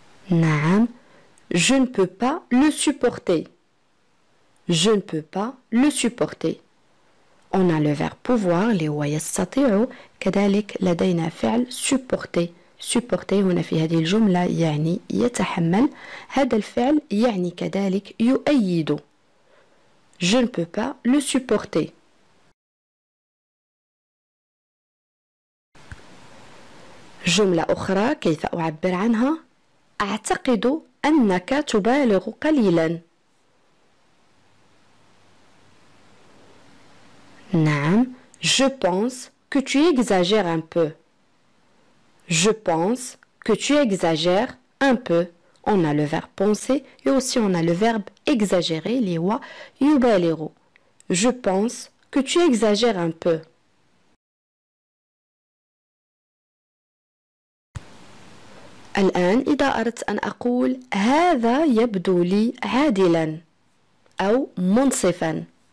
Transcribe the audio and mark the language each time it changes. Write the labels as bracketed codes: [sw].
[ar] نعم [fr] Je ne peux pas le supporter Je ne peux pas le supporter On a le verbe pouvoir [ar] اللي هو يستطيع كذلك لدينا فعل [fr] supporter supporter [ar] هنا في هذه الجملة يعني يتحمل هذا الفعل يعني كذلك يؤيد [fr] Je ne peux pas le supporter. [ar] جملة أخرى كيف أعبر عنها؟ أعتقد أنك تبالغ قليلا. [fr] Non, je pense que tu exagères un peu. Je pense que tu exagères un peu. On a le verbe penser et aussi on a le verbe exagérer, les wa yubalero. Je pense que tu exagères un peu. [ar] الآن إذا أردت أن أقول هذا يبدو لي عادلا أو منصفا.